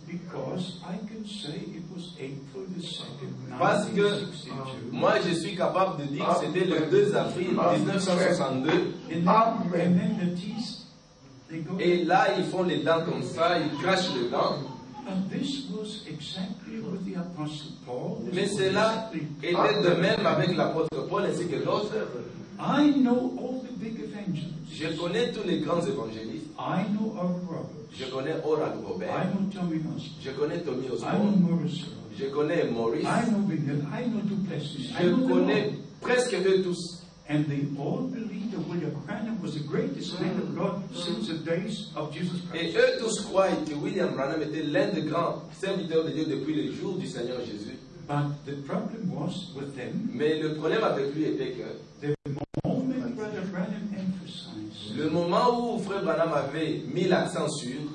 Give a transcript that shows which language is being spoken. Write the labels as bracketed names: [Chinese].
[English] Because I can say it was April the 2nd, [French] parce que moi je suis capable de dire que c'était le 2 avril 1962. [English] And then the teeth, they go. [French] Et là ils font les dents comme ça, ils crachent les dents. [English] And this was exactly what the Apostle Paul was. [French] Mais cela était de même avec l'apôtre Paul ainsi que l'autre. [English] I know all the big evangelists. [French] Je connais tous les grands évangélistes. [English] I know Oral Roberts. [French] Je connais Oral Roberts. [English] I know Tommy Osborne. [French] Je connais Tommy Osborne. [English] I know Maurice. [French] Je connais Maurice. [English] I know Bingham. I know Duplessis. [French] Je connais presque eux tous. [English] And they all believe that William Branham was the greatest man of God since the days of Jesus Christ. [French] Et eux tous croient que William Branham était l'un des grands serviteurs de Dieu depuis les jours du Seigneur Jésus. [English] But the problem was with them. [French] Mais le problème avec lui était que [English] the moment Brother Branham emphasized, [French] le moment où Frère Branham avait mis l'accent sur